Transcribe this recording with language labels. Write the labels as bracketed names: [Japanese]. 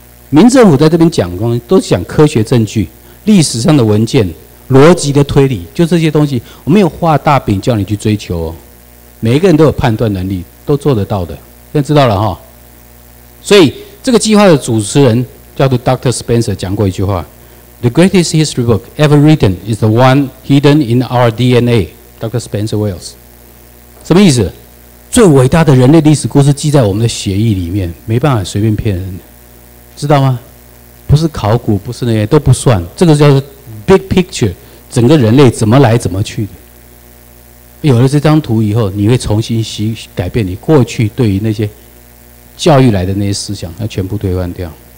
[Chinese] 民政府在这边讲东西都讲科学证据、历史上的文件、逻辑的推理，就这些东西，我没有画大饼叫你去追求哦。每一个人都有判断能力，都做得到的。现在知道了哈，所以这个计划的主持人叫做 Dr. Spencer 讲过一句话。 [English] The greatest history book ever written is the one hidden in our DNA, Dr. [Chinese] Spencer Wales. 什么意思？最伟大的人类历史故事记在我们的血液里面，没办法随便骗人，知道吗？不是考古，不是那些都不算，这个叫做 [English] big picture, [Chinese] 整个人类怎么来怎么去的。有了这张图以后，你会重新改变你过去对于那些教育来的那些思想，要全部推翻掉。